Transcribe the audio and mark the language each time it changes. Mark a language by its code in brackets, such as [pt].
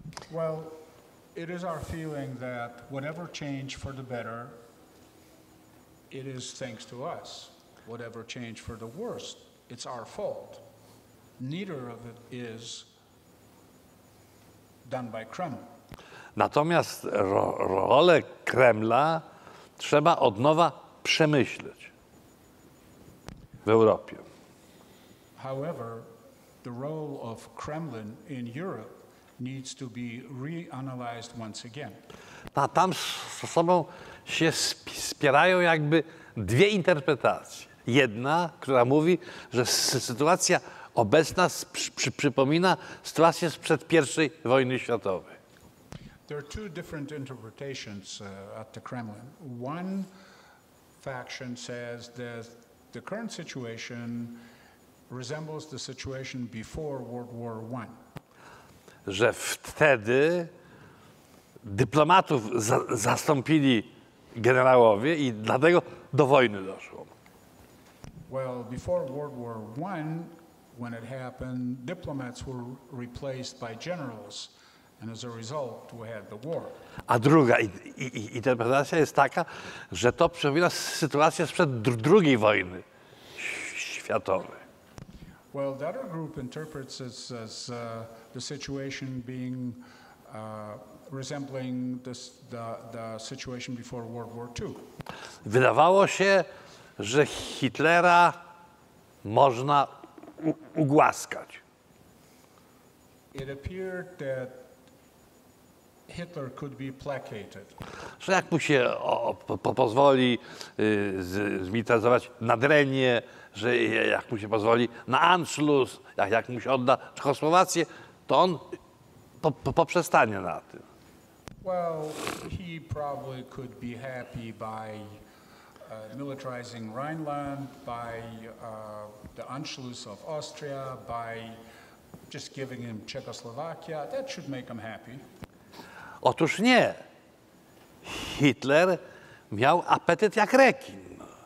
[en] Well, it is our feeling that whatever change for the better, it is thanks to us. Whatever change for the worst, it's our fault. Neither of it is done by Kreml. [pl] Natomiast rolę Kremla trzeba od nowa przemyśleć w Europie. [en] However, the role of Kremlin in Europe needs to be reanalyzed once again. [pl] Tam z sobą się spierają jakby dwie interpretacje. Jedna, która mówi, że sytuacja obecna przypomina sytuację sprzed pierwszej wojny światowej. [en] There are two different interpretations at the Kremlin. One faction says that the current situation resembles the situation before World War I. [pl] Że wtedy dyplomatów zastąpili generałowie i dlatego do wojny doszło. [en] Well, before World War I, when it happened, diplomats were replaced by generals, and as a result, we had the war. [pl] A druga interpretacja jest taka, że to przypomina sytuację sprzed II wojny światowy. [en] Well, the other group interprets this as the situation being resembling this, the situation before World War II. [pl] Wydawało się, że Hitlera można ugłaskać. [en] It appeared that Hitler could be placated. [pl] Że jak mu się pozwoli zmilitaryzować Nadrenię, że jak mu się pozwoli na Anschluss, jak mu się odda Czechosłowację, to on poprzestanie na tym. [en] Well, he probably could be happy by militarizing Rhineland, by the Anschluss of Austria, by just giving him Czechoslovakia. That should make him happy. [pl] Otóż nie. Hitler miał apetyt jak rekin.